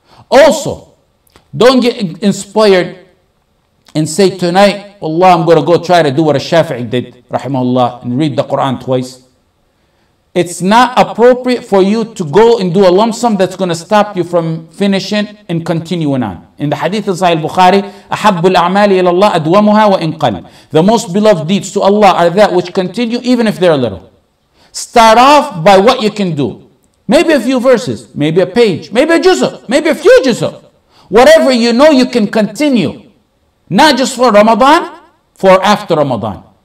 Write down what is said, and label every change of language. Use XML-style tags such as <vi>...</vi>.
<en>Also, don't get inspired and say tonight, Allah, I'm going to go try to do what a Shafi'i did, rahimahullah, and read the Quran twice. It's not appropriate for you to go and do a lump sum that's going to stop you from finishing and continuing on. In the hadith of Sahih Bukhari,</en> <ar>أَحَبُّ الْأَعْمَالِ إِلَى اللَّهِ أَدْوَمُهَا وَإِنْ قَلْ.</ar> <en>The most beloved deeds to Allah are that which continue, even if they're little. Start off by what you can do. Maybe a few verses, maybe a page, maybe a juzuk, maybe a few juzuk. Whatever you know, you can continue. Not just for Ramadan, for after Ramadan.</en>